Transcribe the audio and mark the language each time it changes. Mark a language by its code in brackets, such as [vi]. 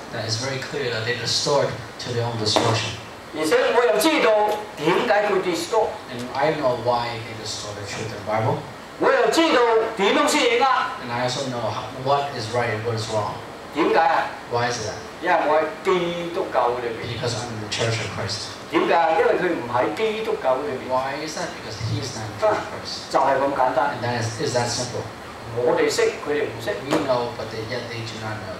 [en] That is very clear that they distort to their own destruction. [yue] 而且我又知道點解佢 distort。 [en] And I know why they distort the truth of the Bible。 [yue] 我又知道點樣先應啦。 [en] And I also know what is right and what is wrong。 [yue] 點解啊 [en] ？Why is that？ [yue] 因為我喺基督教會裏邊。 [en] Because I'm in the Church of Christ。 [yue] 點解？因為佢唔喺基督教會裏邊。 [en] Why is that？ Because he is not in the Church of Christ。 [yue] 就係咁簡單。 [en] And that is that simple。 [yue] 我哋識，佢哋唔識。 [en] We know, but they yet they do not know.